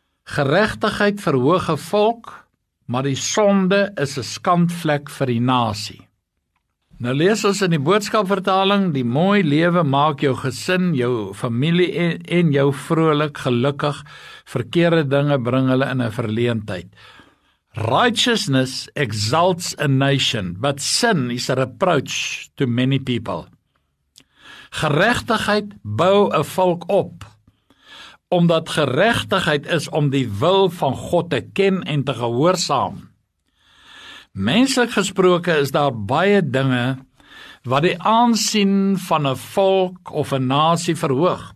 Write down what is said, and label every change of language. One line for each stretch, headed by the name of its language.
Afrikaans: Geregtigheid verhoog 'n volk, maar die sonde is 'n skandvlek vir die nasie. Nou lees ons in die boodskapvertaling, die mooi lewe maak jou gesin, jou familie en jou vrolik, gelukkig, verkeerde dinge bring hulle in 'n verleentheid.
English: Righteousness exalts a nation, but sin is a reproach to many people.
Afrikaans: Geregtigheid bou 'n volk op, omdat geregtigheid is om die wil van God te ken en te gehoorsaam. Menslik gesproke is daar baie dinge wat die aansien van 'n volk of 'n nasie verhoog.